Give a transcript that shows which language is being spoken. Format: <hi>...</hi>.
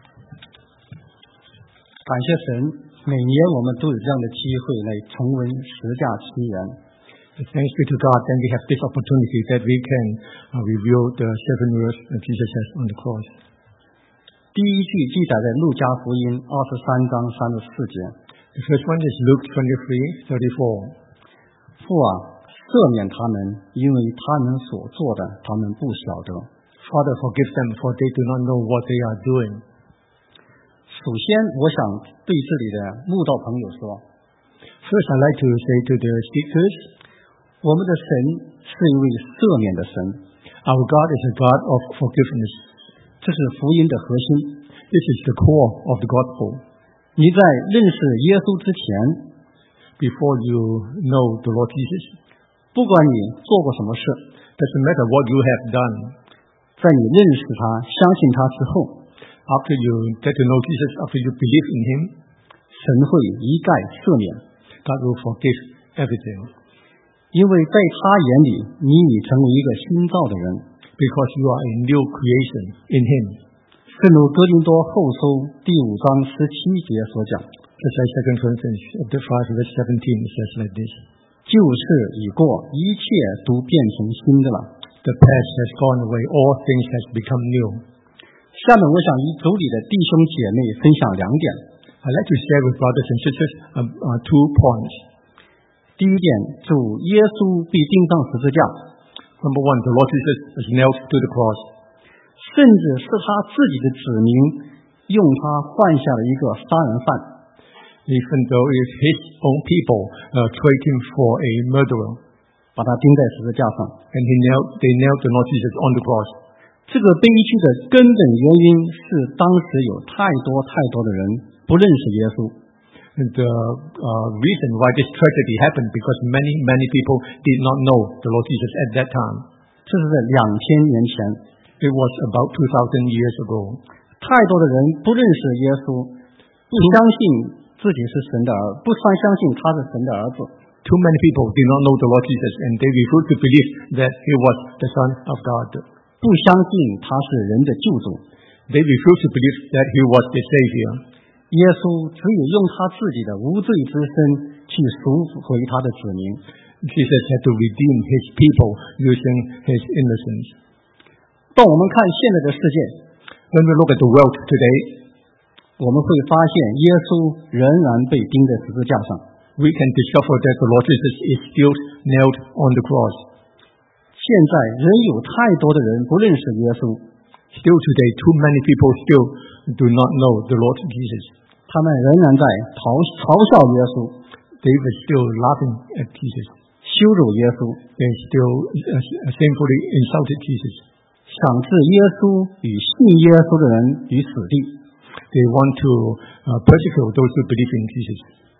<zh>感谢神，每年我们都有这样的机会来重温十架诗人。</zh> <en>Thanks be to God, then we have this opportunity that we can review the seven words that Jesus has on the cross.</en> <zh>第一句记载在路加福音23:34.</zh> <en>The first one is Luke 23:34.</en> <zh>父啊，赦免他们，因为他们所做的，他们不晓得。</zh> <en>Father, forgive them, for they do not know what they are doing.</en> <zh>首先，我想对这里的慕道朋友说。</zh> <en>First, I'd like to say to the speakers,</en> <zh>我们的神是一位赦免的神。</zh> <en>Our God is a God of forgiveness.</en> <zh>这是福音的核心。</zh> <en>This is the core of the gospel.</en> <zh>你在认识耶稣之前</zh> <en>，before you know the Lord Jesus，</en> <zh>不管你做过什么事</zh> <en>，doesn't matter what you have done，</en> <zh>在你认识他、相信他之后</zh> <en>，after you get to know Jesus， after you believe in him，</en> <zh>神会一概赦免。</zh> <en>God will forgive everything.</en> <zh>因为在他眼里，你已成为一个新造的人。</zh> <en>Because you are a new creation in Him.</en> <zh>正如哥林多后书第五章十七节所讲。</zh> <en>Just like Second Corinthians chapter 5 verse 17 says like this.</en> <zh>旧事已过，一切都变成新的了。</zh> <en>The past has gone away, all things has become new.</en> <zh>下面我想与组里的弟兄姐妹分享两点。</zh> <en>I'd like to share with brothers and sisters two points.</en> <zh>第一点，主耶稣被钉上十字架。</zh> <en>Number one, the Lord Jesus is nailed to the cross.</en> <zh>甚至是他自己的子民用他换下了一个杀人犯。</zh> <en>Even though it's his own people, trade him for a murderer.</en> <zh>把他钉在十字架上。</zh> <en>And they nailed the Lord Jesus on the cross.</en> <zh>这个悲剧的根本原因是当时有太多太多的人不认识耶稣。</zh> <en>The reason why this tragedy happened because many, many people did not know the Lord Jesus at that time.</en> <zh>这是在两千年前。</zh> <en>It was about 2,000 years ago.</en> <zh>太多的人不认识耶稣，不相信自己是神的儿，不相信他是神的儿子。</zh> <en>Too many people did not know the Lord Jesus and they refused to believe that he was the Son of God.</en> <zh>不相信他是人的救主。</zh> <en>They refused to believe that he was the Savior.</en> <zh>耶稣只有用他自己的无罪之身去赎回他的子民。</zh> <en>Jesus had to redeem his people using his innocence.</en> <zh>当我们看现在的世界</zh> <en>，When we look at the world today，</en> <zh>我们会发现耶稣仍然被钉在十字架上。</zh> <en>We can discover that the Lord Jesus is still nailed on the cross.</en> <zh>现在仍有太多的人不认识耶稣。</zh> <en>Still today, too many people still. Do not know the Lord Jesus.</en> <zh>他们仍然在嘲笑耶稣。</zh> <en>They were still laughing at Jesus.</en> <zh>羞辱耶稣。</zh> <en>They still shamefully insulted Jesus.</en> <zh>想置耶稣与信耶稣的人于死地。</zh> <en>They want to persecute those who believe in Jesus.</en>